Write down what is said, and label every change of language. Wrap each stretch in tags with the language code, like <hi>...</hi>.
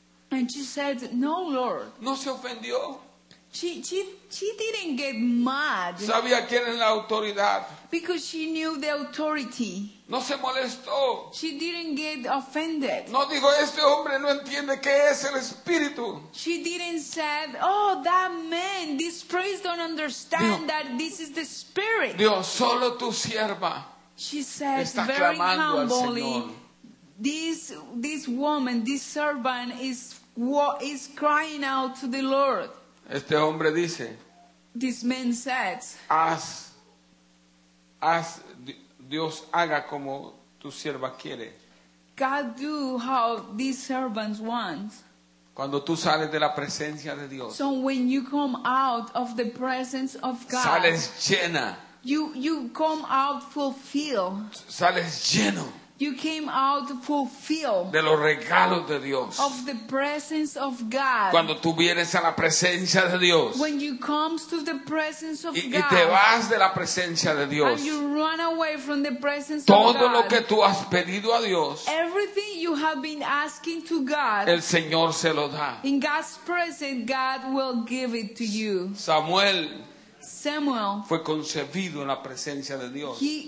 <en>And she said, no, Lord.</en> <es>No se ofendió.</es> <en>She didn't get mad.</en> <es>Sabía quién es la autoridad.</es> <en>Because she knew the authority.</en> <es>No se molestó.</es> <en>She didn't get offended.</en> <es>No dijo, este hombre no entiende qué es el Espíritu.</es> <en>She didn't say, oh, that man, this priest don't understand that this is the Spirit.</en> <es>Dios, solo tu sierva.</es> <en>She said,</en> <es>está</es> <en>very humbly, this woman, this servant is crying out to the Lord.</en> <es>Este hombre dice,</es> <en>this man says,</en> <es>haz Dios haga como tu sierva quiere.</es> <en>God do how these servants want.</en> <es>Cuando tú sales de la presencia de Dios,</es> <en>so when you come out of the presence of God,</en> <es>sales llena.</es> <en>You come out fulfilled.</en> <es>Sales lleno.</es> <en>You came out fulfilled.</en> <es>De los regalos de Dios.</es> <en>Of the presence of God.</en> <es>Cuando tú vienes a la presencia de Dios.</es> <en>When you come to the presence of God.</en> <es>Y te vas de la presencia de Dios.</es> <en>And you run away from the presence</en> <es>todo</es> <en>of God.</en> <es>Todo lo que tú has pedido a Dios.</es> <en>Everything you have been asking to God.</en> <es>El Señor se lo da.</es> <en>In God's presence, God will give it to you.</en> <es>Samuel fue concebido en la presencia de Dios.</es>